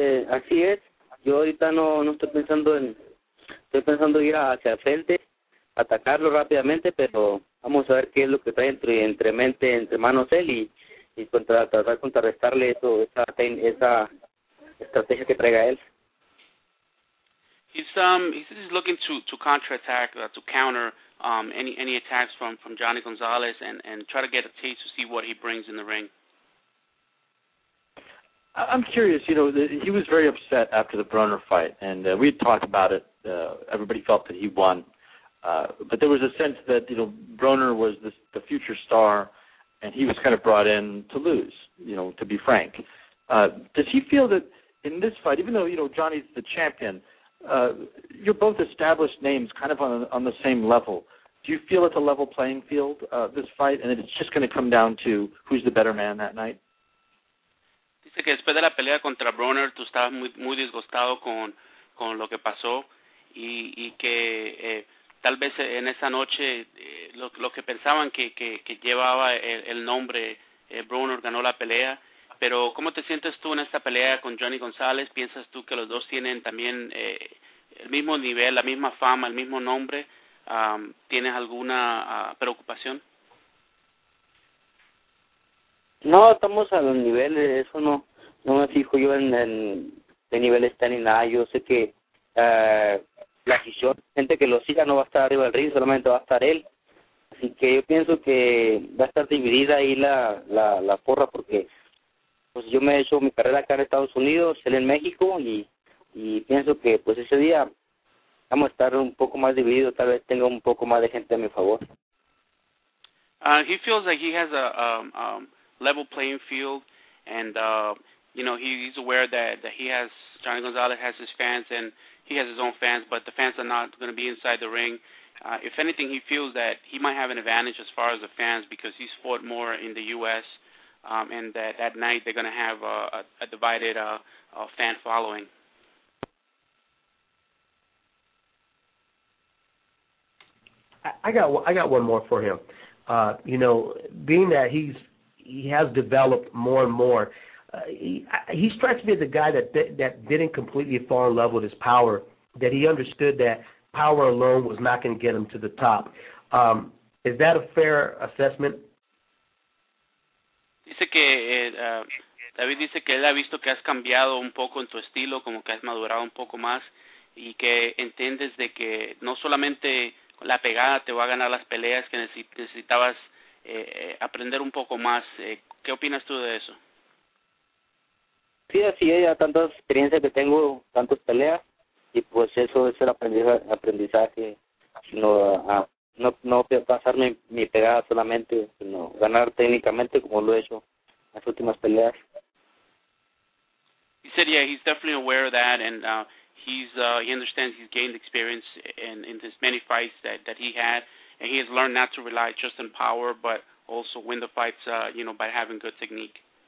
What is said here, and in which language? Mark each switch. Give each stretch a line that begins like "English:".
Spanish: Así es. Yo ahorita no estoy pensando en... Estoy pensando ir hacia el frente, atacarlo rápidamente, pero vamos a ver qué es lo que trae entre mente, entre manos él y tratar de contrarrestarle esa estrategia que traiga él.
English: He's looking to counterattack, to counter any attacks from Johnny Gonzalez and try to get a taste to see what he brings in the ring. I'm curious, you know, he was very upset after the Broner fight, and we had talked about it. Everybody felt that he won. But there was a sense that, you know, Broner was the future star, and he was kind of brought in to lose, you know, to be frank. Does he feel that in this fight, even though, you know, Johnny's the champion, you're both established names kind of on the same level. Do you feel it's a level playing field, this fight, and that it's just going to come down to who's the better man that night?
Spanish: Dice que después de la pelea contra Broner, tú estabas muy, muy disgustado con lo que pasó y que tal vez en esa noche lo que pensaban que llevaba el nombre, Broner ganó la pelea. Pero ¿cómo te sientes tú en esta pelea con Johnny González? ¿Piensas tú que los dos tienen también el mismo nivel, la misma fama, el mismo nombre? ¿Tienes alguna preocupación? No, estamos a los niveles, eso no me fijo yo en de niveles tan ni nada. Yo sé que la afición, gente que lo siga, no va a estar arriba del ring, solamente va a estar él. Así que yo pienso que va a estar dividida ahí la porra, porque pues yo me he hecho mi carrera acá en Estados Unidos, él en México, y pienso que pues ese día vamos a estar un poco más divididos, tal vez tenga un poco más de gente a mi favor.
English: He feels like he has level playing field, and you know, he's aware that he has, Johnny Gonzalez has his fans and he has his own fans, but the fans are not going to be inside the ring. If anything, he feels that he might have an advantage as far as the fans, because he's fought more in the U.S. And that night they're going to have a divided fan following. I got one more for him. You know, being that he has developed more and more. He strikes me as a guy that didn't completely fall in love with his power, that he understood that power alone was not going to get him to the top. Is that a fair assessment?
Spanish: Dice que David dice que él ha visto que has cambiado un poco en tu estilo, como que has madurado un poco más, y que entiendes de que no solamente la pegada te va a ganar las peleas, que necesitabas aprender un poco más. ¿Qué opinas tú de eso? Sí, así es, ya tantas experiencias que tengo, tantas peleas, y pues eso es el aprendizaje, sino no pasar mi pegada solamente, sino ganar técnicamente como lo he hecho en las últimas peleas.
English: He said, yeah, he's definitely aware of that, and he understands he's gained experience in his many fights that he had. And he has learned not to rely just on power, but also win the fights, you know, by having good technique.